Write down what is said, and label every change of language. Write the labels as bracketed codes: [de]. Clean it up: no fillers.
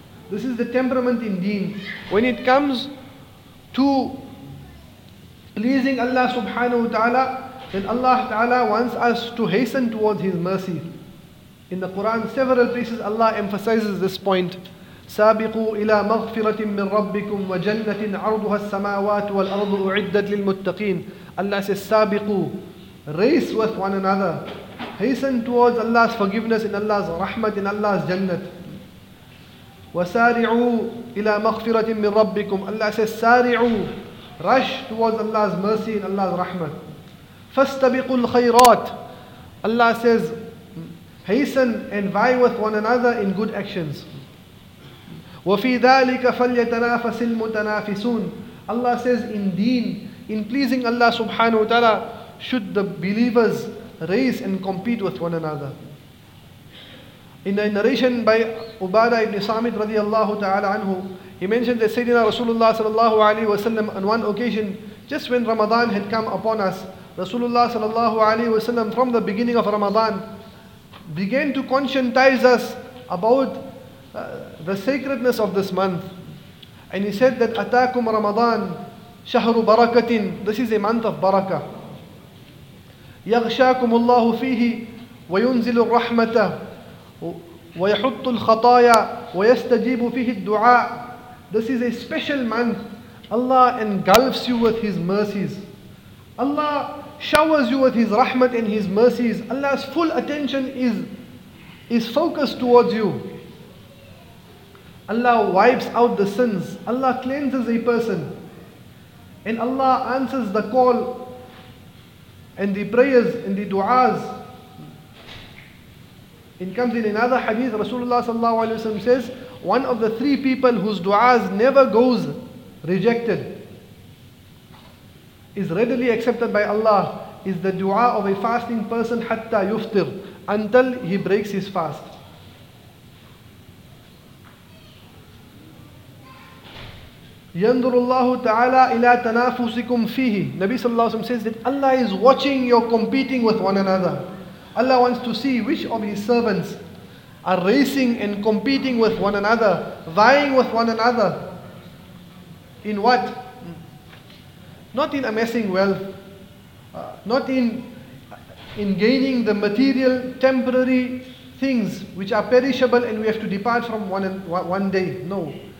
[en] This is the temperament in deen. When it comes to pleasing Allah subhanahu wa ta'ala, then Allah ta'ala wants us to hasten towards His mercy. In the Quran, several places Allah emphasizes this point. [ar] سابقوا إلى مغفرة من ربكم وجنة عرضها السماوات والأرض أعدت للمتقين. [en] Allah says, [ar] سابقوا. [en] Race with one another. Hasten towards Allah's forgiveness in Allah's rahmat, in Allah's jannat. [ar] وسارعوا إلى مغفرة من ربكم. [en] Allah says, [ar] سارعوا. [en] Rush towards Allah's mercy in Allah's rahmat. [ar] فاستبقوا الخيرات. [en] Allah says, hasten and vie with one another in good actions. [ar] وفي ذلك فليتنافس المتنافسون. [en] Allah says, in deen, in pleasing Allah subhanahu wa ta'ala, should the believers race and compete with one another. In a narration by Ubadah ibn Samit radiallahu ta'ala anhu, he mentioned that Sayyidina Rasulullah sallallahu alayhi wa sallam, on one occasion, just when Ramadan had come upon us, Rasulullah sallallahu alayhi wa sallam, from the beginning of Ramadan, began to conscientize us about the sacredness of this month. And he said that [ar] Atakum Ramadan Shahru Barakatin. [en] This is a month of barakah. [ar] يغشاكم الله فيه وينزل الرحمة ويحط الخطايا ويستجيب فيه الدعاء. [en] This is a special month. Allah engulfs you with His mercies. Allah showers you with His rahmat and His mercies. Allah's full attention is focused towards you. Allah wipes out the sins. Allah cleanses a person. And Allah answers the call and the prayers and the du'as. It comes in another hadith, Rasulullah sallallahu alayhi wa sallam says, one of the three people whose du'as never goes rejected, is readily accepted by Allah, is the du'a of a fasting person, [ar] hatta yuftir, [en] until he breaks his fast. [ar] ينظر الله تعالى إلى تنافسكم فيه. [en] Nabi sallallahu alayhi wa sallam says that Allah is watching your competing with one another. Allah wants to see which of His servants are racing and competing with one another, vying with one another. In what? Not in amassing wealth. Not in gaining the material, temporary things which are perishable and we have to depart from one day. No.